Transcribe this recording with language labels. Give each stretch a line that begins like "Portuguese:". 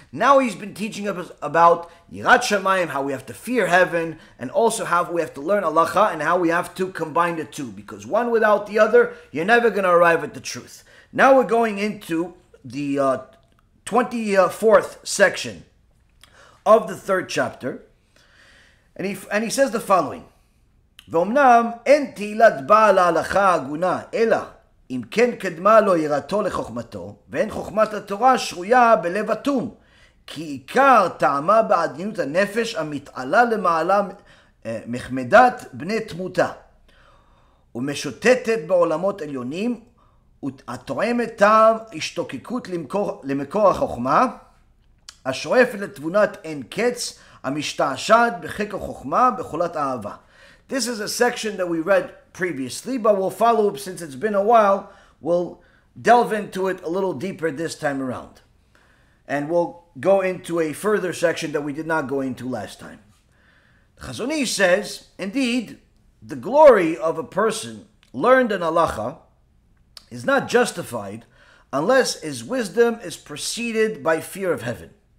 English: Now he's been teaching us about Yirat Shamayim, how we have to fear heaven, and also how we have to learn Halacha, and how we have to combine the two. Because one without the other, you're never going to arrive at the truth. Now we're going into the 24th section of the third chapter. And he says the following.
Hebrew: ואומנם אין תהילת בעל ההלכה הגונה, אלא אם כן קדמה לו יראתו לחוכמתו, ואין חוכמת התורה שרויה בלב אטום, כי עיקר טעמה בעדינות הנפש המתעלה למעלה מחמדת בני תמותה, ומשוטטת בעולמות עליונים, התואמת טעם השתוקקות למקור החוכמה, השואף לתבונת אין קץ, המשתעשת בחקר חוכמה בחולת אהבה.
English: This is a section that we read previously, but we'll follow up since it's been a while. We'll delve into it a little deeper this time around. And we'll go into a further section that we did not go into last time. Chazon Ish says, indeed, the glory of a person learned in halacha is not justified unless his wisdom is preceded by fear of heaven.